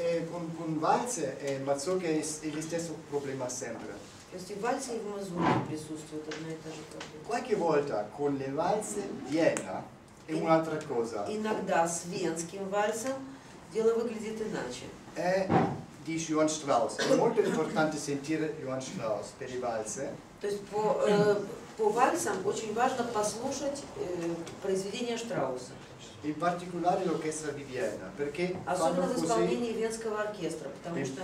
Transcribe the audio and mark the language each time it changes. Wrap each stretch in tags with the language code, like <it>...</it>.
<it>Con valse e mazurka è lo stesso problema sempre.</it> <ru>То есть и вальсы, и в мазурке присутствует одна и та же проблема.</ru> <it>Qualche volta con le valse viene è un'altra cosa.</it> <ru>Иногда с венским вальсом дело выглядит иначе.</ru> <it>È di Johann Strauss. Molto importante sentire Johann Strauss per i valse.</it> <ru>То есть по вальсам очень важно послушать произведение Штрауса.</ru> <it>In particolare l'orchestra di Vienna, perché</it> <ru>особенно в исполнении венского оркестра, потому что</ru>